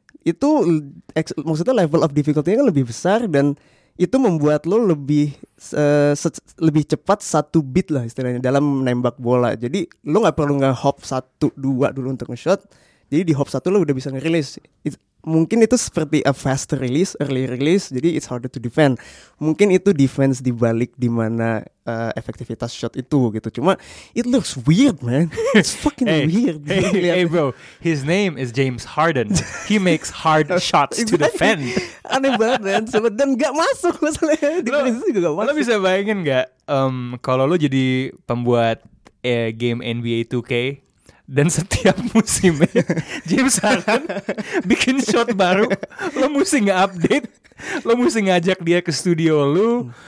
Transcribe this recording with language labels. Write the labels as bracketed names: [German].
[Indonesian] Itu maksudnya [English] level of difficulty- [Indonesian] nya kan lebih besar, dan itu membuat lo lebih lebih cepat satu beat lah istilahnya dalam menembak bola. Jadi lo gak perlu nge-hop 1-2 dulu untuk nge-shot, jadi di hop 1 lo udah bisa nge-release. Mungkin itu seperti [English] a fast release, early release, [Indonesian] jadi [English] it's harder to defend. [Indonesian] Mungkin itu defense dibalik dimana efektivitas shot itu gitu. [English] Cuma it looks weird man, it's fucking hey, weird. Hey bro, his name is James Harden. He makes hard shots to defend. [Indonesian] Aneh banget [English] man, [Indonesian] dan gak masuk masalahnya. Defense juga gak masuk. Lo bisa bayangin gak, kalau lo jadi pembuat game NBA 2K, dan setiap musim James Harden bikin shot baru, lo mesti nge-update, lo mesti ngajak dia ke studio lo